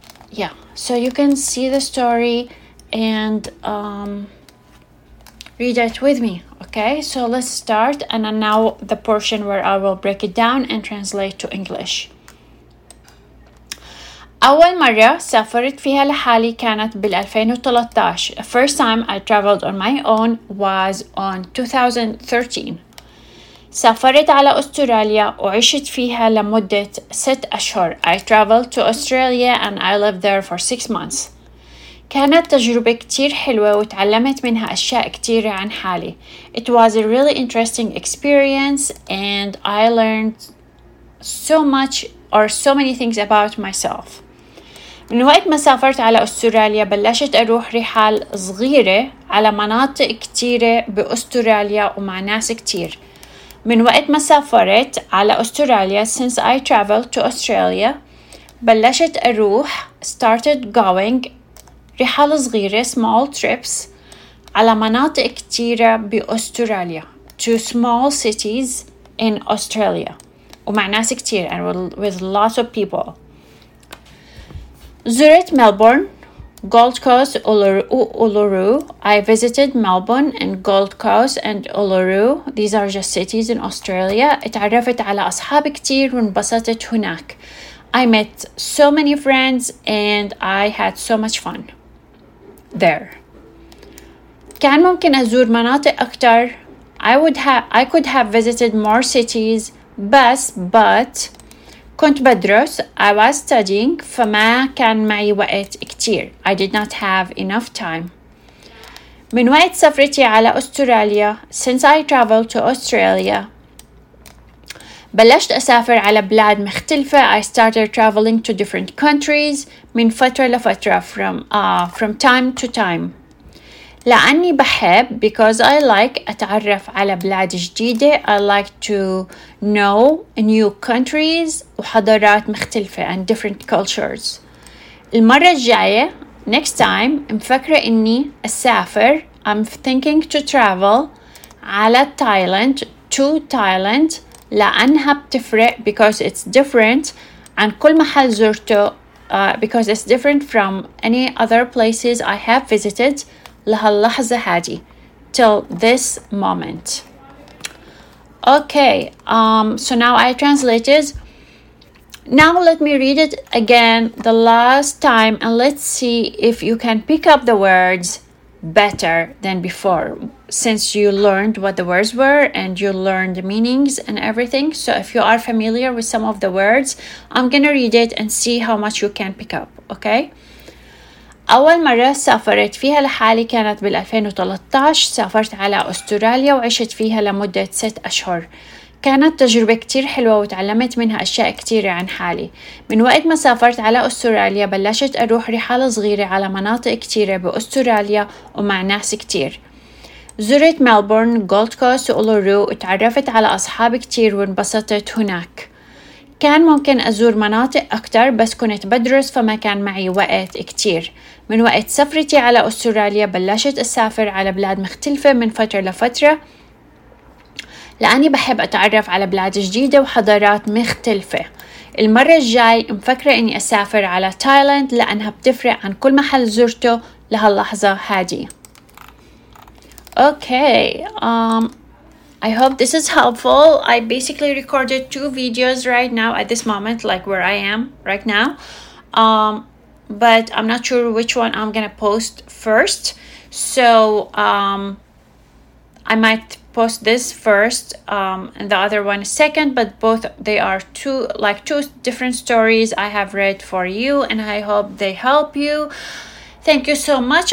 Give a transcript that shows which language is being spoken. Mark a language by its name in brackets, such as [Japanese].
[English] Yeah, so you can see the story and read it with me. Okay, so let's start, and now the portion where I will break it down and translate to English. [Arabic] أول مرة سافرت فيها لحالي كانت بال 2013. [English] The first time I traveled on my own was on 2013. [Arabic] سافرت على أستراليا وعشت فيها لمدة 6 أشهر. [English] I traveled to Australia and I lived there for 6 months. [Arabic] كانت تجربة كتير حلوة وتعلمت منها أشياء كتيرة عن حالي. [English] It was a really interesting experience and I learned so many things about myself. [Arabic] من وقت ما سافرت على أستراليا بلشت أروح رحال صغيرة على مناطق كتيرة بأستراليا ومع ناس كتير. من وقت ما سافرت على أستراليا [English] since I traveled to Australia [Arabic] بلشت أروح [English] started going [Arabic] رحلة صغيرة [English] small trips [Arabic] على مناطق كتيرة بأستراليا [English] to small cities in Australia [Arabic] ومع ناس كتير [English] and with lots of people. [Arabic] زرت ملبورن Gold Coast, Uluru. [English] I visited Melbourne and Gold Coast and Uluru. These are just cities in Australia. [Arabic] اتعرفت على أصحاب كتير وانبسطت هناك. [English] I met so many friends and I had so much fun there. [Arabic] كان ممكن أزور مناطق أكتر. [English] I could have visited more cities, but [Arabic] كنت بدرس. [English] I was studying. [Arabic] فما كان معي وقت كتير. [English] I did not have enough time. [Arabic] من وقت سفرتي على أستراليا. [English] Since I traveled to Australia. [Arabic] بلشت أسافر على بلاد مختلفة. [English] I started traveling to different countries. [Arabic] من فترة لفترة. [English] From time to time. [Arabic] لأني بحب. [English] Because I like [Arabic] أتعرف على بلاد جديدة. [English] I like to know new countries [Arabic] وحضارات مختلفة [English] and different cultures. [Arabic] المرة الجاية [English] next time [Arabic] مفكرة إني أسافر. [English] I'm thinking to travel على Thailand to Thailand [Arabic] لأنها بتفرق [English] because it's different [Arabic] عن كل محل زرته [English] because it's different from any other places I have visited [Arabic] لهاللحظة هذه [English] till this moment. Okay, so now I translate it. Now let me read it again the last time and let's see if you can pick up the words better than before since you learned what the words were and you learned meanings and everything. So if you are familiar with some of the words, I'm gonna read it and see how much you can pick up, okay? [Arabic] أول مرة سافرت فيها لحالي كانت بال 2013 سافرت على أستراليا وعشت فيها لمدة 6 أشهر كانت تجربة كتير حلوة وتعلمت منها أشياء كتيرة عن حالي من وقت ما سافرت على أستراليا بلشت أروح رحلة صغيرة على مناطق كتيرة بأستراليا ومع ناس كتير زرت ملبورن، جولد كوست وأولورو وتعرفت على أصحاب كتير وانبسطت هناك كان ممكن أزور مناطق أكتر بس كنت بدرس فما كان معي وقت كتير من وقت سفرتي على أستراليا بلشت أسافر على بلاد مختلفة من فترة لفترة لأني بحب أتعرف على بلاد جديدة وحضارات مختلفة المرة الجاي مفكرة أني أسافر على تايلاند لأنها بتفرق عن كل محل زرته لهاللحظة هذه أوكي [English] I hope this is helpful. I basically recorded 2 videos right now at this moment, like where I am right now. But I'm not sure which one I'm gonna post first. So I might post this first and the other one second, but both they are two different stories I have read for you and I hope they help you. Thank you so much.